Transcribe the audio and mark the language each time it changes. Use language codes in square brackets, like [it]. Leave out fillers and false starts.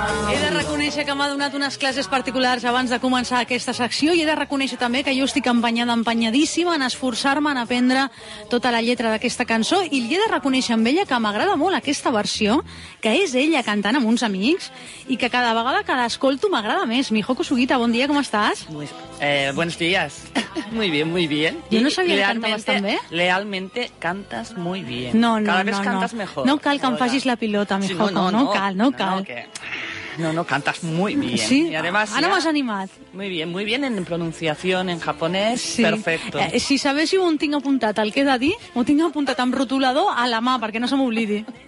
[ca] He de reconèixer que m'ha donat unes classes particulars abans de començar aquesta secció i he de reconèixer també que jo estic empenyada, empenyadíssima en esforçar-me en aprendre tota la lletra d'aquesta cançó i li he de reconèixer amb ella que m'agrada molt aquesta versió, que és ella cantant amb uns amics i que cada vegada que l'escolto m'agrada més. Mihoko Sugita, bon dia, com estàs? [es] Buenos días. Muy bien, muy bien. [ca] Jo no sabia que cantaves tan bé. [es] Lealmente cantas muy bien. No, no, cada vez no, cantas no. Mejor. [ca] No cal que em facis la pilota, Mihoko. [es] Sí, no, no, no, [ca] no cal, no cal. [es] No, no, que... no, no, cantas muy bien. Sí, y además, ahora ya... [ca] m'has animat. [es] Muy bien en pronunciación, en japonés, sí. Perfecto. [ca] Si sabés si ho tinc apuntat, el que he de dir, ho tinc apuntat amb rotulador a la mà, perquè no se m'oblidi.